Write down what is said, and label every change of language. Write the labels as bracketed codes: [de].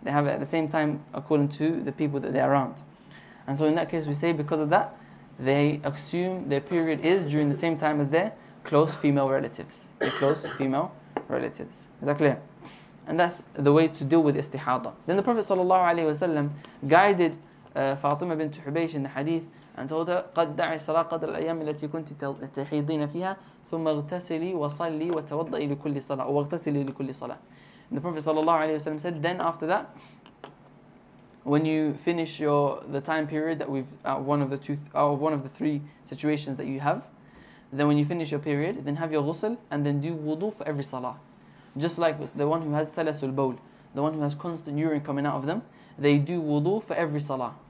[en] They have it at the same time according to the people that they're around. And so in that case, we say because of that, they assume their period is during the same time as their close female relatives. Their close female relatives. Is that clear? And that's the way to deal with istihada. Then the Prophet ﷺ guided Fatima bint Hubaysh in the hadith and told her, [ar] قَدْ دَعِ الصَّلَاةَ قَدْ الْأَيَّامِ الَّتِي كُنْتِ تَحِيضِينَ فِيهَا ثُمَّ اغْتَسِلِي وَصَلِّي وَتَوَضَّئِ لِكُلِّ صَلَاةٍ وَاغْتَسِلِي لِكُلِّ صَلَاةٍ. [en] And the Prophet ﷺ said, then after that, when you finish the time period that we've out of one of the three situations that you have, then when you finish your period, then have your ghusl and then do wudu for every salah. Just like the one who has salasul bowl, the one who has constant urine coming out of them, they do wudu for every salah.